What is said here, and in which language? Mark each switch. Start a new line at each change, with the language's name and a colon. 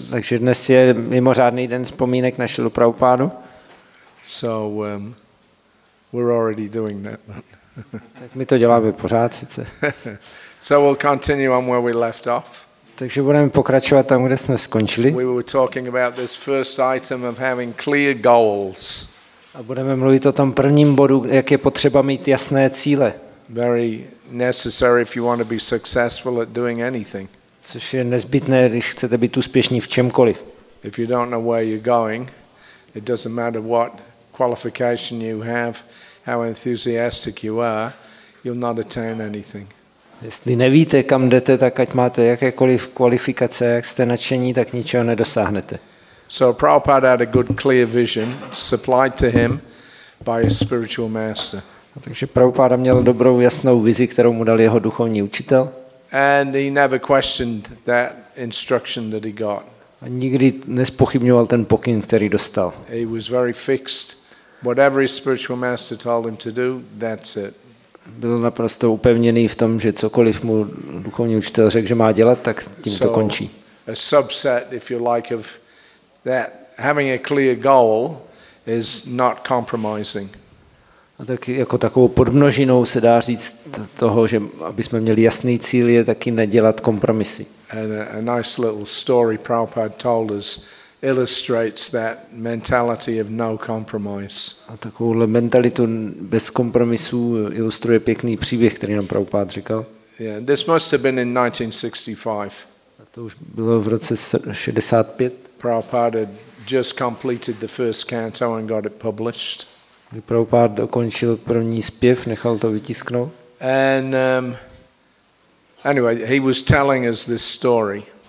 Czech: Takže dnes je mimořádný den vzpomínek na Srila Prabhupádu.
English: So we're already doing that.
Czech: Tak my to děláme pořád sice.
English: So we'll continue on where we left off.
Czech: Takže budeme pokračovat tam, kde jsme skončili.
English: We were talking about this first item of having clear goals.
Czech: A budeme mluvit o tom prvním bodu, jak je potřeba mít jasné cíle.
English: Very necessary if you want to be successful at doing anything.
Czech: Což je nezbytné, když chcete být úspěšní v čemkoliv.
English: If you don't know where you're going, it doesn't matter what qualification you have, how enthusiastic you are, you'll not attain anything.
Czech: Jestli nevíte, kam jdete, tak ať máte jakékoliv kvalifikace, jak jste nadšení, tak ničeho nedosáhnete.
English: So Prabhupada had a good clear vision supplied to him by his spiritual master.
Czech: Takže Prabhupada měl dobrou jasnou vizi, kterou mu dal jeho duchovní učitel.
English: And he never questioned that instruction that he got.
Czech: A nikdy nespochybňoval ten pokyn, který dostal.
English: He was very fixed. Whatever his spiritual master told him to do, that's it.
Czech: Byl naprosto upevněný v tom, že cokoliv mu duchovní učitel řekl, že má dělat, tak tím to končí.
English: A subset, if you like, of that having a clear goal is not compromising.
Czech: A tak jako takovou podmnožinou se dá říct toho, že aby jsme měli jasný cíl, je taky nedělat kompromisy.
English: And a nice little story Prabhupada told us illustrates that mentality of no compromise.
Czech: A takovouhle mentalitu bez kompromisů ilustruje pěkný příběh, který nám Prabhupád říkal.
English: Yeah, this must have been in 1965.
Czech: A to už bylo v roce 65.
English: Prabhupád had just completed the first canto and got it published.
Czech: Prabhupád dokončil první zpěv, nechal to vytisknout.
English: And anyway, he was telling us this story.